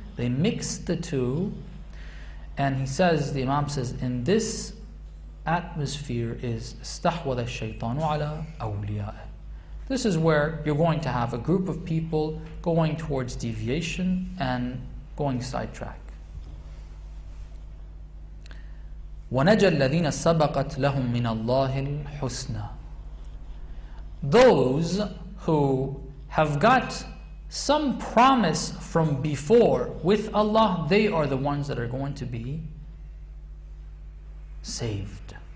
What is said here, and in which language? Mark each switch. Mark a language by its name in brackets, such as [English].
[English] They mix the two. And he says, the Imam says, in this atmosphere is [Arabic] استحوذ الشيطان على أوليائه. [English] This is where you're going to have a group of people going towards deviation and going sidetrack. [Arabic] ونجى الذين سبقت لهم من الله الحسنى. [English] Those who have got some promise from before with Allah, they are the ones that are going to be saved.